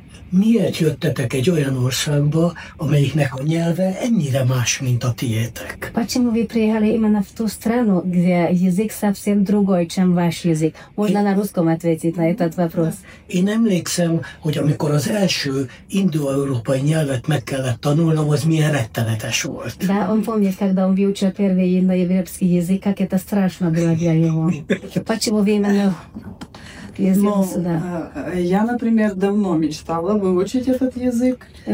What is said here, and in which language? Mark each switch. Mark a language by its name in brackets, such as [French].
[Hungarian] Miért jöttetek egy olyan országba, amelyiknek a nyelve ennyire más, mint a tiétek? [Russian] Почему вы приехали именно в ту страну, где язык совсем другой, чем ваш язык? Можно на русском ответить на этот вопрос? [Hungarian] Én emlékszem, hogy amikor az első indoeurópai nyelvet meg kellett tanulnom, az milyen rettenetes volt. [Russian] Да, он помнит, когда он выучил первый индоевропейский язык, как это страшно было для него. Почему вы именно... Я, например, давно мечтала выучить этот язык.